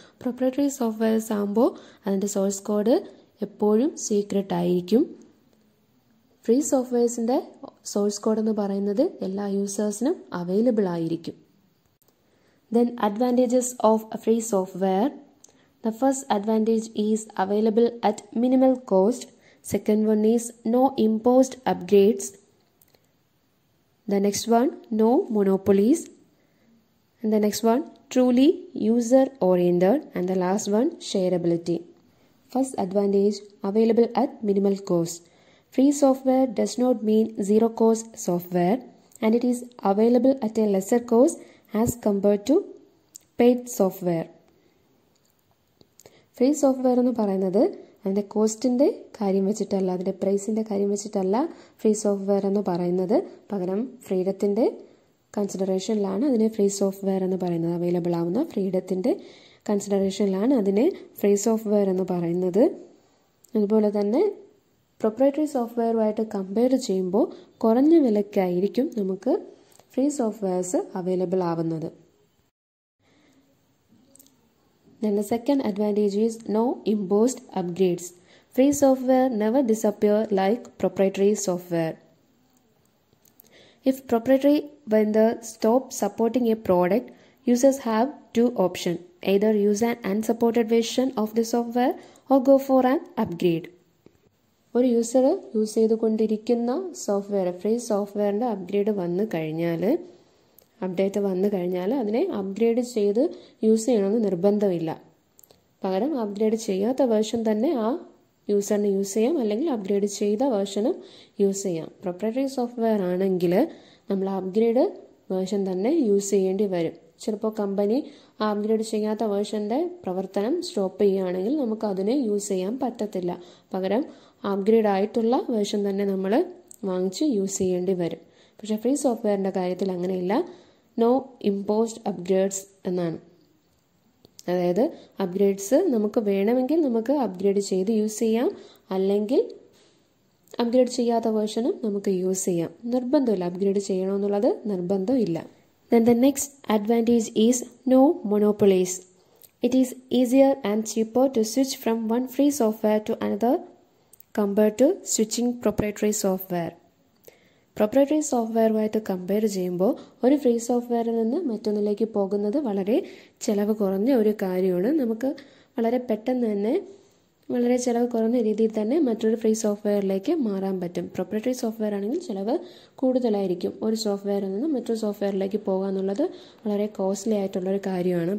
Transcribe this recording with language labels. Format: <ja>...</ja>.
<ml>Proprietary softwares ആകുമ്പോൾ അതിൻ്റെ source code എപ്പോഴും സീക്രട്ട് ആയിരിക്കും. ഫ്രീ സോഫ്റ്റ്വെയർസിൻ്റെ സോഴ്സ് കോഡ് എന്ന് പറയുന്നത് എല്ലാ യൂസേഴ്സിനും അവൈലബിൾ ആയിരിക്കും.</ml> <en>Then advantages of free software. The first advantage is available at minimal cost. Second one is no imposed upgrades. The next one, no monopolies. And the next one, truly user-oriented. And the last one, shareability. First advantage, available at minimal cost. Free software does not mean zero-cost software. And it is available at a lesser cost as compared to paid software.</en> <ml>Free software എന്ന് പറയുന്നത് അതിൻ്റെ കോസ്റ്റിൻ്റെ കാര്യം വെച്ചിട്ടല്ല, അതിൻ്റെ പ്രൈസിൻ്റെ കാര്യം വെച്ചിട്ടല്ല free software എന്ന് പറയുന്നത്. പകരം ഫ്രീഡത്തിൻ്റെ കൺസിഡറേഷനിലാണ് അതിനെ ഫ്രീ സോഫ്റ്റ്വെയർ എന്ന് പറയുന്നത്. അവൈലബിൾ ആവുന്ന ഫ്രീഡത്തിൻ്റെ കൺസിഡറേഷനിലാണ് അതിനെ ഫ്രീ സോഫ്റ്റ്വെയർ എന്ന് പറയുന്നത്. അതുപോലെ തന്നെ പ്രൊപ്രൈറ്ററി സോഫ്റ്റ്വെയറുമായിട്ട് കമ്പയർ ചെയ്യുമ്പോൾ കുറഞ്ഞ വിലയ്ക്കായിരിക്കും നമുക്ക് ഫ്രീ സോഫ്റ്റ്വെയർസ് അവൈലബിൾ ആവുന്നത്.</ml> <en>Then the second advantage is no imposed upgrades. Free software never disappear like proprietary software. If proprietary vendor stop supporting a product, users have two options: either use an unsupported version of the software or go for an upgrade.</en> <ml>ഒരു user use ചെയ്തുകൊണ്ടിരിക്കുന്ന software free സോഫ്റ്റ്വെയറിൻ്റെ upgrade വന്നു കഴിഞ്ഞാൽ update വന്നു കഴിഞ്ഞാൽ അതിനെ upgrade ചെയ്ത് use ചെയ്യണമെന്ന് നിർബന്ധമില്ല. പകരം അപ്ഗ്രേഡ് ചെയ്യാത്ത വേർഷൻ തന്നെ ആ യൂസറിന് യൂസ് ചെയ്യാം, അല്ലെങ്കിൽ അപ്ഗ്രേഡ് ചെയ്ത വേർഷനും യൂസ് ചെയ്യാം. പ്രൊപ്രൈറ്ററി സോഫ്റ്റ്വെയർ ആണെങ്കിൽ നമ്മൾ അപ്ഗ്രേഡ് വേർഷൻ തന്നെ യൂസ് ചെയ്യേണ്ടി വരും. ചിലപ്പോൾ കമ്പനി ആ അപ്ഗ്രേഡ് ചെയ്യാത്ത വേർഷൻ്റെ പ്രവർത്തനം സ്റ്റോപ്പ് ചെയ്യുകയാണെങ്കിൽ നമുക്ക് അതിനെ യൂസ് ചെയ്യാൻ പറ്റത്തില്ല. പകരം അപ്ഗ്രേഡ് ആയിട്ടുള്ള വേർഷൻ തന്നെ നമ്മൾ വാങ്ങിച്ച് യൂസ് ചെയ്യേണ്ടി വരും. പക്ഷേ ഫ്രീ സോഫ്റ്റ്വെയറിൻ്റെ കാര്യത്തിൽ അങ്ങനെയില്ല. നോ ഇമ്പോസ്ഡ് അപ്ഗ്രേഡ്സ് എന്നാണ്. അതായത് അപ്ഗ്രേഡ്സ് നമുക്ക് വേണമെങ്കിൽ നമുക്ക് അപ്ഗ്രേഡ് ചെയ്ത് യൂസ് ചെയ്യാം, അല്ലെങ്കിൽ അപ്ഗ്രേഡ് ചെയ്യാത്ത വേർഷനും നമുക്ക് യൂസ് ചെയ്യാം. നിർബന്ധമില്ല, അപ്ഗ്രേഡ് ചെയ്യണമെന്നുള്ളത് നിർബന്ധമില്ല.</ml> <en>Then the next advantage is no monopolies. It is easier and cheaper to switch from one free software to another compared to switching proprietary software.</en> <ml>Proprietary സോഫ്റ്റ്വെയറുമായിട്ട് compare ചെയ്യുമ്പോൾ ഒരു free സോഫ്റ്റ്വെയറിൽ നിന്ന് മറ്റൊന്നിലേക്ക് പോകുന്നത് വളരെ ചിലവ് കുറഞ്ഞ ഒരു കാര്യമാണ്. നമുക്ക് വളരെ പെട്ടെന്ന് തന്നെ വളരെ ചിലവ് കുറഞ്ഞ രീതിയിൽ തന്നെ മറ്റൊരു ഫ്രീ സോഫ്റ്റ്വെയറിലേക്ക് മാറാൻ പറ്റും. പ്രൊപ്രൈറ്ററി സോഫ്റ്റ്വെയർ ആണെങ്കിൽ ചിലവ് കൂടുതലായിരിക്കും. ഒരു സോഫ്റ്റ്വെയറിൽ നിന്ന് മറ്റൊരു സോഫ്റ്റ്വെയറിലേക്ക് പോകുക എന്നുള്ളത് വളരെ കോസ്റ്റ്ലി ആയിട്ടുള്ളൊരു കാര്യമാണ്.</ml>